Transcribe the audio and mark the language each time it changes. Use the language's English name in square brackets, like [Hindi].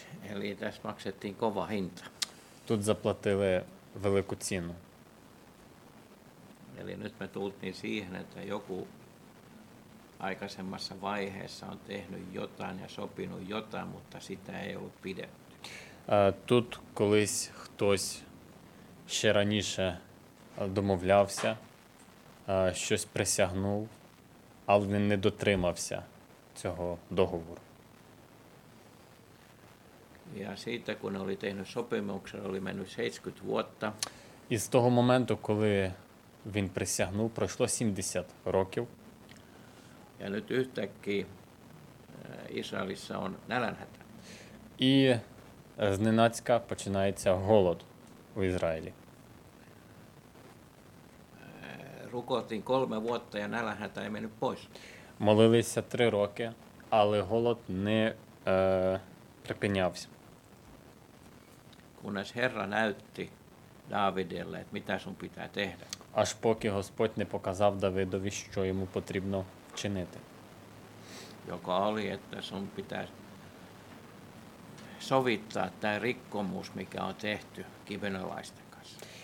[Finnish] Eli tässä maksettiin kova hinta. [Ukrainian] Тут заплатили велику ціну. [Finnish] Eli nyt me tultiin siihen, että joku aikaisemmassa vaiheessa on tehnyt jotain ja sopinut jotain, mutta sitä ei ollut pidetty. [Ukrainian] Тут колись хтось ще раніше домовлявся, щось присягнув, але він не дотримався цього договору. [Finnish] Ja siitä, kun oli tehnyt sopimuksen, oli mennyt 70 vuotta. [Ukrainian] І з того моменту, коли він присягнув, пройшло 70 років. [Finnish] Ja nyt yhtäkkiä Israelissa on nälänhätä. [Ukrainian] І зненацька починається голод у Ізраїлі. [Finnish] Рукотин 3 vuotta ja nälänhätä ei mennyt pois. [Ukrainian] Молилися 3 роки, але голод не припинявся. [Finnish] Kunnes Herra näytti Davidille, että mitä sun pitää tehdä. [Ukrainian] Аж поки Господь не показав Давидові, що йому потрібно вчинити. [Finnish] Joka oli, että sun pitää sovittaa tämä rikkomus, mikä on tehty kibenolaisten kanssa.